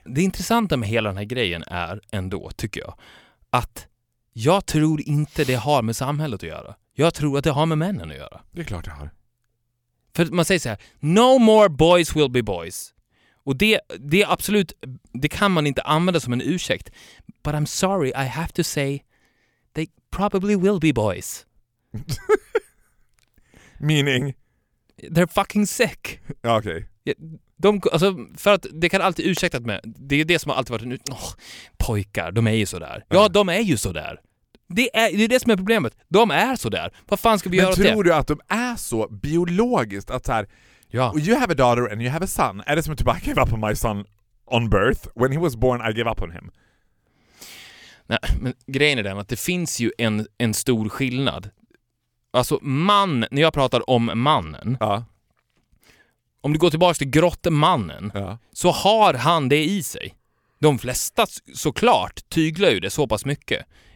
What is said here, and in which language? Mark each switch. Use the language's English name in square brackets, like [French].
[Swedish] Det intressanta med hela den här grejen är ändå, tycker jag, att jag tror inte det har med samhället att göra. Jag tror att det har med männen att göra. Det är klart det har. För man säger så här, [English] no more boys will be boys. [Swedish] Och det är absolut, det kan man inte använda som en ursäkt. [English] But I'm sorry, I have to say they probably will be boys. Meaning? They're fucking sick. [Swedish] Okej. [English] Okay. [Swedish] Alltså, för att det kan alltid ursäktat med, det är det som har alltid varit en pojkar, de är ju så där. Ja, de är ju så där. Det är det som är problemet. De är så där. Vad fan ska vi göra åt det? Men tror du att de är så biologiskt att så här, ja. [English] You have a daughter and you have a son. [Swedish] Är det som att [English] I gave up on my son on birth? When he was born I gave up on him. [Swedish] Nej, men grejen är den att det finns ju en stor skillnad. Alltså man, när jag pratar om mannen. Ja. Om du går tillbaka till grottemannen, ja, så har han det i sig. De flesta såklart tyglar ju det så pass mycket.